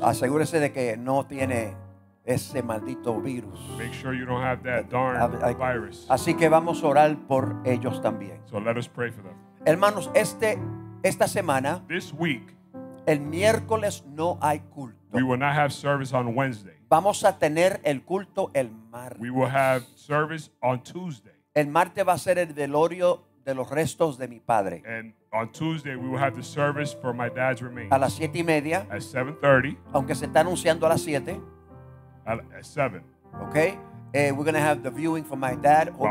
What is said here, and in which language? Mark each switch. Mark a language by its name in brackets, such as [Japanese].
[Spanish] Asegúrese de que no tiene ese maldito virus. [English] Make sure you don't have that darn virus. [Spanish] Así que vamos a orar por ellos también. [English] So, let us pray for them. [Spanish] Hermanos, esta semana. [English] This week. [Spanish] El miércoles no hay culto. [English] We will not have service on Wednesday. [Spanish] Vamos a tener el culto el martes. [English] We will have service on Tuesday. [Spanish] El martes va a ser el velorio de los restos de mi padre. [English] And on Tuesday we will have the service for my dad's remains. [Spanish] A las 7:30. [English] At 7:30. [Spanish] Aunque se está anunciando a las 7. [English] At 7. Okay. We're going to have the viewing for my dad over